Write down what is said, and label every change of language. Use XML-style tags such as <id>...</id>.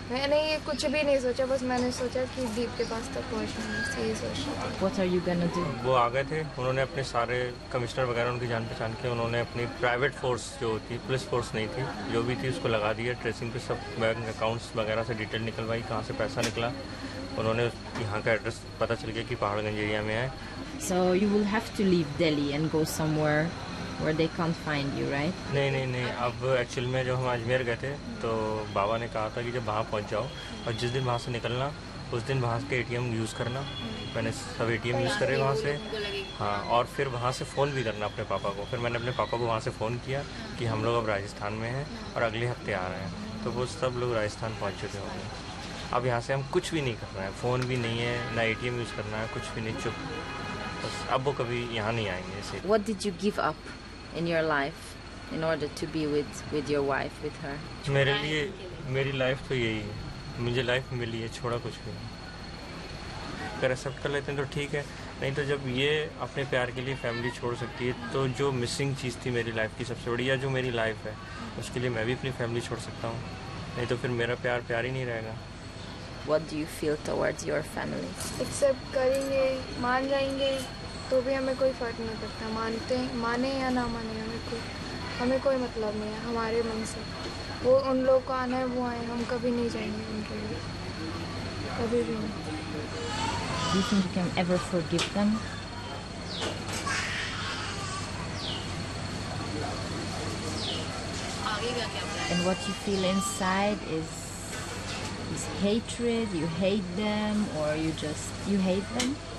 <hi>मैंने ये कुछ भी नहीं सोचा, बस मैंने सोचा कि दीप के पास तक पहुँचना। वो आ गए थे, उन्होंने अपने सारे कमिश्नर वगैरह उनकी जान पहचान के उन्होंने अपनी प्राइवेट फोर्स जो थी, पुलिस फोर्स नहीं थी, जो भी थी उसको लगा दिया। ट्रेसिंग पे सब बैंक अकाउंट्स वगैरह से डिटेल निकलवाई, कहाँ से पैसा निकला, उन्होंने यहाँ का एड्रेस पता चल गया कि पहाड़गंज एरिया में है।</hi> <en>So you will have to leave Delhi and go somewhere where they can't find you, right?</en> <hi>नहीं नहीं नहीं, अब एक्चुअल में जो हम अजमेर गए थे तो बाबा ने कहा था कि जब वहाँ पहुँच जाओ और जिस दिन वहाँ से निकलना उस दिन वहाँ के ATM यूज़ करना। मैंने सब ATM यूज़ करे वहाँ से, हाँ, और फिर वहाँ से फ़ोन भी करना अपने पापा को। फिर मैंने अपने पापा को वहाँ से फ़ोन किया कि हम लोग अब राजस्थान में हैं और अगले हफ्ते आ रहे हैं, तो वो सब लोग राजस्थान पहुँच चुके होंगे। अब यहाँ से हम कुछ भी नहीं कर रहे हैं, फ़ोन भी नहीं है, ना ATM यूज़ करना है, कुछ भी नहीं, चुप। अब वो कभी यहाँ नहीं आएंगे ऐसे।</hi> <en>What did you give up in your life in order to be with your wife, with her?</en> <hi>मेरे लिए मेरी लाइफ तो यही है, मुझे लाइफ मिली है, छोड़ा कुछ भी नहीं। अगर एक्सेप्ट कर लेते हैं तो ठीक है, नहीं तो जब ये अपने प्यार के लिए फैमिली छोड़ सकती है तो जो मिसिंग चीज़ थी मेरी लाइफ की सबसे बड़ी, या जो मेरी लाइफ है उसके लिए मैं भी अपनी फैमिली छोड़ सकता हूँ, नहीं तो फिर मेरा प्यार प्यार ही नहीं रहेगा।</hi> <en>What do you feel towards your family?</en> <hi>Accept करेंगे, मान जाएंगे तो भी हमें कोई फ़र्क नहीं पड़ता, मानते हैं, माने या ना माने, हमें कोई मतलब नहीं है हमारे मन से। वो उन लोग को आना है वो आए, हम कभी नहीं जाएंगे उनके लिए, कभी भी नहीं।</hi> <en>Do you think you can ever forgive them? And what you feel inside is this hatred, you hate them, or you just, you hate them?</en>